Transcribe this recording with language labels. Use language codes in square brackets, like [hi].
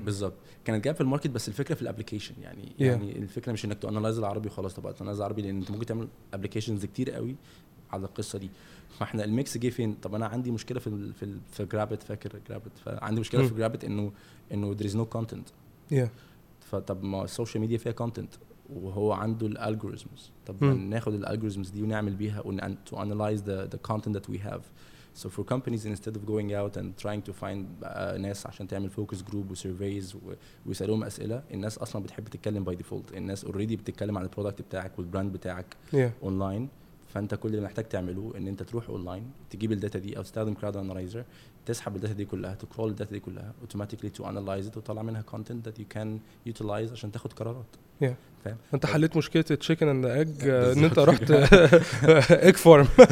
[ar] بالظبط، كانت جاب في الماركت، بس الفكره في الابلكيشن يعني. يعني الفكره مش انك تانلايز العربي وخلاص، طب انا عربي، لان انت ممكن تعمل ابلكيشنز كتير قوي على القصه دي. فاحنا الميكس جه فين؟ طب انا عندي مشكله في جرابت، فاكر جرابت؟ فعندي مشكله في جرابت انه [en] there is no content. [ar] فطب ما السوشيال ميديا فيها كونتنت، وهو عنده الالجوريزمز. طب ناخد الالجوريزمز دي ونعمل بيها [en] to analyze the content that we have. So for companies, instead of going out and trying to find [ar] ناس عشان تعمل [en] focus group و surveys [ar] ويسألهم أسئلة، الناس أصلا بتحب تتكلم [en] by default. [ar] الناس already بتتكلم عن البرودكت بتاعك والبراند بتاعك online. فأنت كل اللي محتاج تعمله إن أنت تروح online تجيب الداتا دي أو تستخدم crowd analyzer، تسحب الداتا دي كلها، تcrawl الداتا دي كلها automatically [en] to analyze it، [ar] وطلع منها [en] content that you can utilize [ar] عشان تاخد قرارات. فهم؟ انت حليت مشكله تشيكن اند ايج، ان انت رحت ايج فارم.